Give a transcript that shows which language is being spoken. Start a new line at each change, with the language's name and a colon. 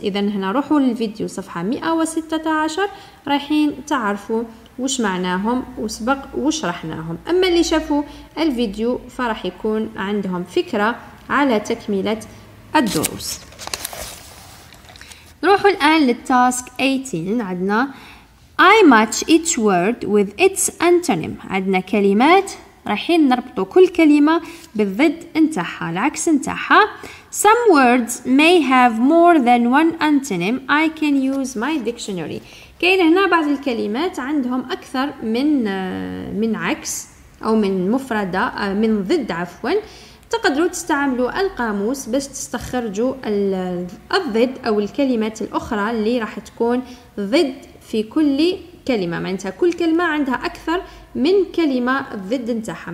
Arabic: إذن هنا روحوا للفيديو صفحة 116، رايحين تعرفوا وش معناهم وسبق وشرحناهم. أما اللي شافوا الفيديو فرح يكون عندهم فكرة على تكملة الدروس. نروحوا الآن للتاسك 18. عندنا
English: I match each word with its antonym.
Arabic: عندنا كلمات رايحين نربطوا كل كلمة بالضد انتحها، العكس انتحها.
English: Some words may have more than one antonym. I can use my dictionary.
Arabic: كاين هنا بعض الكلمات عندهم أكثر من عكس أو من مفردة، من ضد عفوا. تقدروا تستعملوا القاموس باش تستخرجوا الضد أو الكلمات الأخرى اللي راح تكون ضد في كل كلمة، معناتها كل كلمة عندها أكثر من كلمة ضد نتاعها.